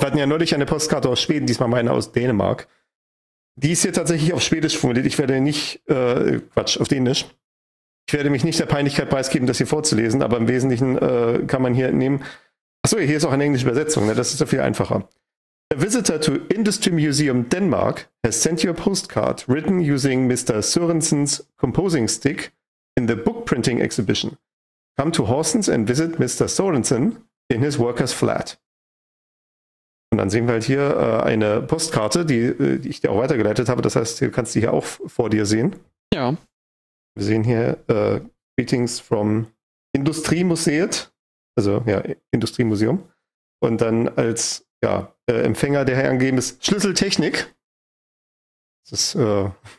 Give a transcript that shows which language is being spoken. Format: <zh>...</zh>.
<de>Wir hatten ja neulich eine Postkarte aus Schweden, diesmal meine aus Dänemark. Die ist hier tatsächlich auf Schwedisch formuliert. Ich werde nicht, auf Dänisch. Ich werde mich nicht der Peinlichkeit preisgeben, das hier vorzulesen, aber im Wesentlichen kann man hier entnehmen. Achso, hier ist auch eine englische Übersetzung, ne? Das ist ja viel einfacher.</de> <en>A visitor to Industry Museum Denmark has sent you a postcard written using Mr. Sørensen's composing stick in the book printing exhibition. Come to Horsens and visit Mr. Sørensen in his worker's flat.</en> <de>Und dann sehen wir halt hier eine Postkarte, die ich dir auch weitergeleitet habe. Das heißt, du kannst die hier auch vor dir sehen. Ja. Wir sehen hier</de> <en>Greetings from</en> <de>Industriemuseet, also ja, Industriemuseum. Und dann als ja, Empfänger, der hier angegeben ist, Schlüsseltechnik. Das ist...</de>